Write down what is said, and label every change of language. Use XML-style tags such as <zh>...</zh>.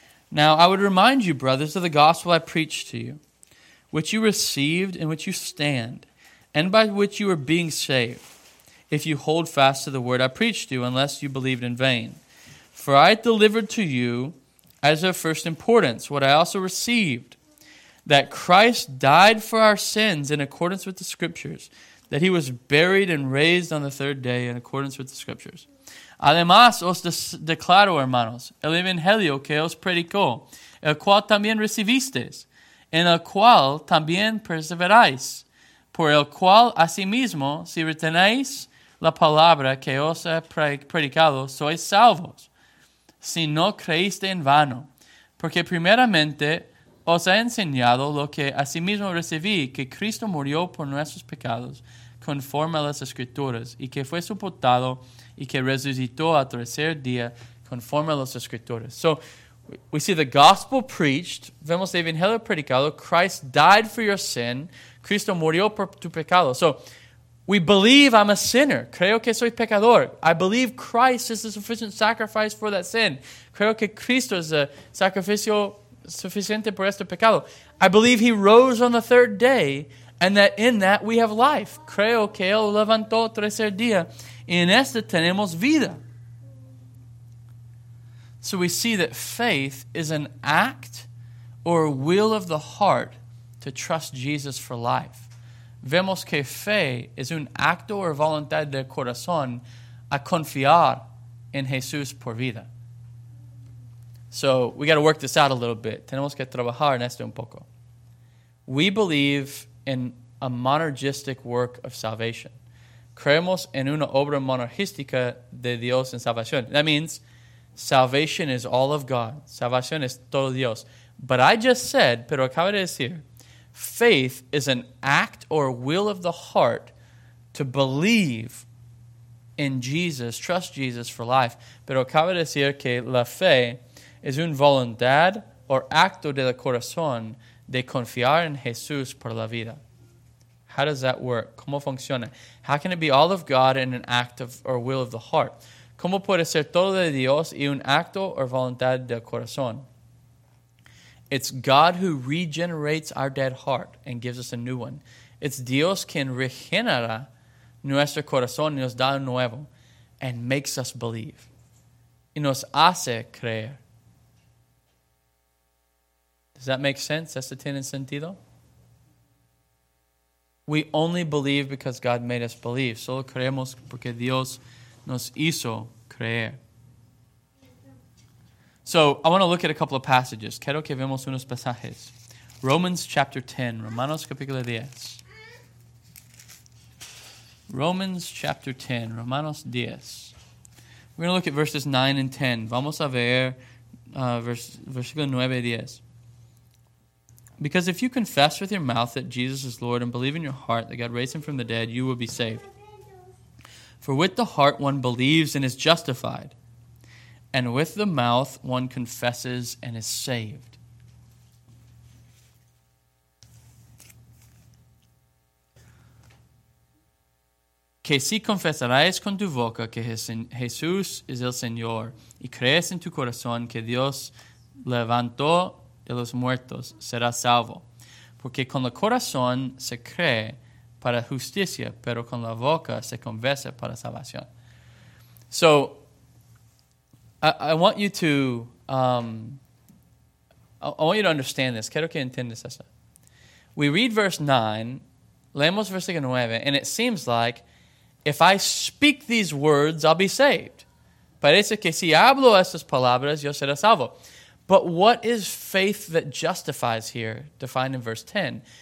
<en>Now I would remind you, brothers, of the gospel I preached to you, which you received, in which you stand, and by which you are being saved, if you hold fast to the word I preached to you, unless you believed in vain. For I delivered to you, as of first importance, what I also received, that Christ died for our sins in accordance with the Scriptures, that he was buried and raised on the third day in accordance with the Scriptures.</en> <es>Además, os declaro, hermanos, el evangelio que os predicó, el cual también recibisteis, en el cual también perseveráis, por el cual asimismo, si retenéis la palabra que os ha predicado, sois salvos, si no creíste en vano, porque primeramente os ha enseñado lo que asimismo recibí, que Cristo murió por nuestros pecados, conforme a las Escrituras, y que fue sepultado, y que resucitó al tercer día, conforme a las Escrituras.</es> <en>So, we see the gospel preached,</en> <es>vemos el evangelio predicado,</es> <en>Christ died for your sin,</en> <es>Cristo murió por tu pecado.</es> <en>So, we believe I'm a sinner,</en> <es>creo que soy pecador,</es> <en>I believe Christ is the sufficient sacrifice for that sin,</en> <es>creo que Cristo es el sacrificio suficiente por este pecado.</es> <en>I believe he rose on the third day, and that in that we have life.</en> <es>Creo que él levantó el tercer día. En este tenemos vida.</es> <en>So we see that faith is an act or will of the heart to trust Jesus for life.</en> <es>Vemos que fe es un acto o voluntad del corazón a confiar en Jesús por vida.</es> <en>So we got to work this out a little bit.</en> <es>Tenemos que trabajar en esto un poco.</es> <en>We believe in a monergistic work of salvation.</en> <es>Creemos en una obra monergística de Dios en salvación.</es> <en>That means salvation is all of God.</en> <es>Salvación es todo Dios.</es> <en>But I just said,</en> <es>pero acabo de decir,</es> <en>faith is an act or will of the heart to believe in Jesus, trust Jesus for life.</en> <es>Pero acabo de decir que la fe es un voluntad o acto del corazón de confiar en Jesús por la vida.</es> <en>How does that work?</en> <es>¿Cómo funciona?</es> <en>How can it be all of God and an act of or will of the heart?</en> <es>¿Cómo puede ser todo de Dios y un acto o voluntad del corazón?</es> <en>It's God who regenerates our dead heart and gives us a new one. It's</en> <es>Dios quien regenera nuestro corazón y nos da un nuevo</es> <en>and makes us believe.</en> <es>Y nos hace creer.</es> <en>Does that make sense?</en> <es>¿Esto tiene sentido?</es> <en>We only believe because God made us believe.</en> <es>Solo creemos porque Dios nos hizo creer.</es> <en>So, I want to look at a couple of passages.</en> <es>Quiero que veamos unos pasajes.</es> <en>Romans chapter 10.</en> <es>Romanos capítulo 10.</es> <en>Romans chapter 10.</en> <es>Romanos 10.</es> <en>We're going to look at verses 9 and 10.</en> <es>Vamos a ver versículo 9 y 10.</es> <en>Because if you confess with your mouth that Jesus is Lord and believe in your heart that God raised him from the dead, you will be saved. For with the heart one believes and is justified, and with the mouth one confesses and is saved.</en> <es>Que si confesarás con tu boca que Jesús es el Señor, y crees en tu corazón que Dios levantó de los muertos, será salvo. Porque con el corazón se cree para justicia, pero con la boca se confiesa para salvación.</es> <en>So, I want you to I want you to understand this.</en> <es>Quiero que entiendas eso.</es> <en>We read verse 9,</en> <es>leemos versículo 9,</es> <en>and it seems like if I speak these words, I'll be saved.</en> <es>Parece que si hablo estas palabras, yo seré salvo.</es> <en>But what is faith that justifies here, defined in verse 10?</en>